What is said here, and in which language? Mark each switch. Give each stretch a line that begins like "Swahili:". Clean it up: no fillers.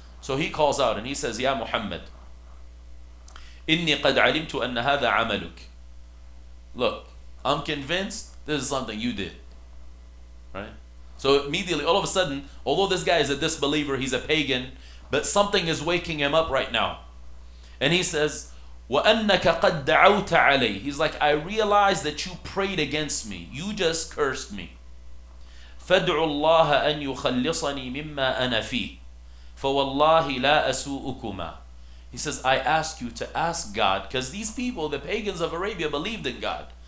English: So he calls out and he says,
Arabic: Ya Muhammad, Inni qad alimtu anna hadha amaluk.
English: Look, I'm convinced this is something you did. Right? So immediately, all of a sudden, although this guy is a disbeliever, he's a pagan, but something is waking him up right now. And he says,
Arabic: وَأَنَّكَ قَدْ دَعَوْتَ عَلَيْهِ.
English: He's like, I realize that you prayed against me. You just cursed me.
Arabic: فَادْعُوا اللَّهَ أَنْ يُخَلِّصَنِي مِمَّا أَنَا فِيهِ فَوَاللَّهِ لَا أَسُوءُكُمَا.
English: He says, I ask you to ask God, because these people, the pagans of Arabia, believed in God.